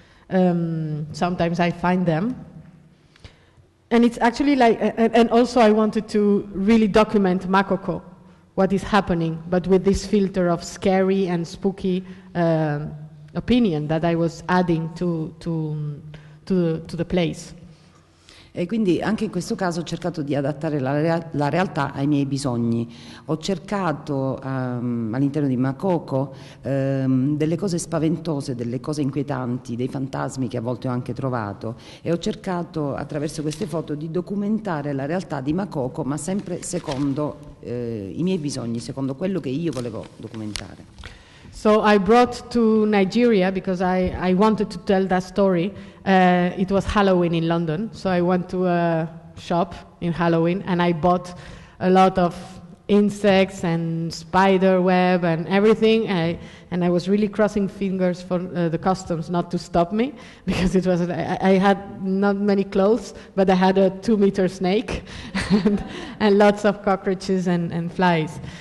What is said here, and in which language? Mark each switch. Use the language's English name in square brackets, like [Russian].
[English] Sometimes I find them. And it's actually like, and also I wanted to really document Makoko, what is happening, but with this filter of scary and spooky opinion that I was adding to the place. [Italian] E quindi anche in questo caso ho cercato di adattare la realtà ai miei bisogni. Ho cercato all'interno di Makoko delle cose spaventose, delle cose inquietanti, dei fantasmi che a volte ho anche trovato, e ho cercato attraverso queste foto di documentare la realtà di Makoko, ma sempre secondo i miei bisogni, secondo quello che io volevo documentare. [English] So I brought to Nigeria because I wanted to tell that story. It was Halloween in London, so I went to a shop in Halloween and I bought a lot of insects and spider web and everything. And I was really crossing fingers for the customs not to stop me, because it was I had not many clothes, but I had a 2-meter snake and lots of cockroaches and flies.